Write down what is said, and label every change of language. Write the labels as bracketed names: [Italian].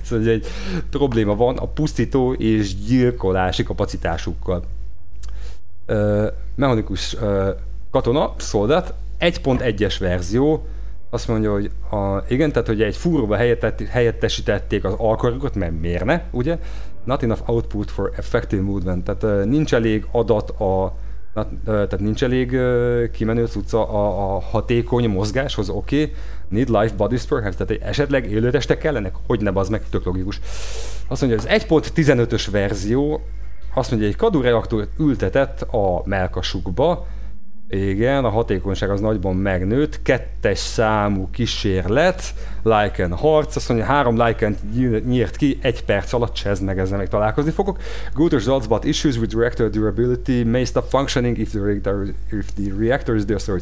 [Hungarian] Ez mondja, egy probléma van a pusztító és gyilkolási kapacitásukkal. Mechanikus katona, szoldat, 1.1-es verzió, azt mondja, hogy igen, tehát hogy egy fúróba helyettesítették az alkarjukat, mert miért ne, ugye? [English] Not enough output for effective movement. [Hungarian] Tehát nincs elég adat a... tehát nincs elég kimenő cucca a hatékony mozgáshoz, oké. [English] Okay. Need life bodies perhaps. [Hungarian] Tehát esetleg élőtestek kellenek? Hogy ne bazd meg, tök logikus. Azt mondja, az 1.15-ös verzió, azt mondja, egy kadureaktort ültetett a mellkasukba. Igen, a hatékonyság az nagyban megnőtt. Kettes számú kísérlet, Lycan harc, azt mondja, 3 Lycant nyírt ki, 1 perc alatt, csezd meg, ezzel még találkozni fogok. [English] Good results, but issues with reactor durability may stop functioning if the reactor is destroyed.